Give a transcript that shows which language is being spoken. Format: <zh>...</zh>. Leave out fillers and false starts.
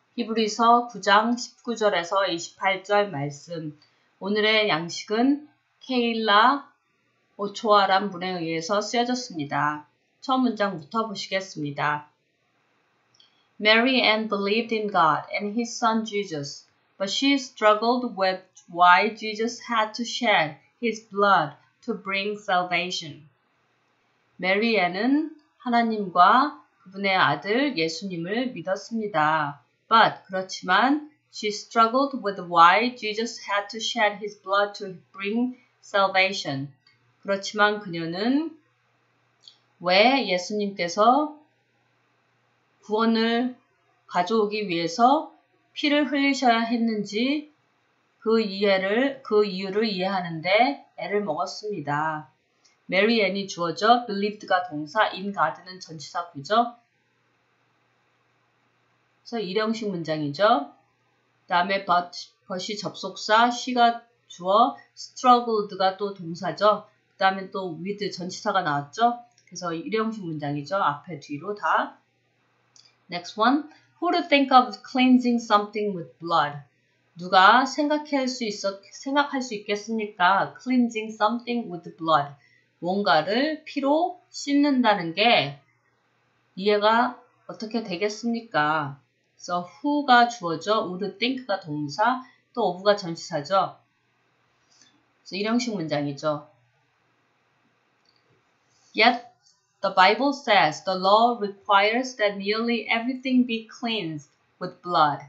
<ko>히브리서 9장 19절에서 28절 말씀. 오늘의 양식은 케일라 오초아란 분에 의해서 쓰여졌습니다. 첫 문장부터 보시겠습니다.</ko> <en>Mary Ann believed in God and his son Jesus, but she struggled with why Jesus had to shed his blood to bring salvation.</en> <ko>메리앤은 하나님과 그분의 아들 예수님을 믿었습니다.</ko> <en>But</en> <ko>그렇지만</ko> <en>she struggled with why Jesus had to shed his blood to bring salvation.</en> <ko>그렇지만 그녀는 왜 예수님께서 구원을 가져오기 위해서 피를 흘리셔야 했는지 그 이유를 이해하는데 애를 먹었습니다. 메리앤이 주어져 believed가 동사, in God는 전치사구죠. 그래서 일형식 문장이죠. 다음에 but이 접속사, she가 주어 struggled가 또 동사죠. 그 다음에 또 with 전치사가 나왔죠. 그래서 일형식 문장이죠. 앞에 뒤로 다.</ko> <en>Next one. Who to think of cleansing something with blood?</en> <ko>누가 생각할 수 있겠습니까?</ko> <en>Cleansing something with blood.</en> <ko>뭔가를 피로 씻는다는 게 이해가 어떻게 되겠습니까? So who가 주어져,</ko> <en>would think</en> <ko>가 동사, 또 of가 전치사죠. 그래서 일형식 문장이죠.</ko> <en>Yet the Bible says the law requires that nearly everything be cleansed with blood.</en>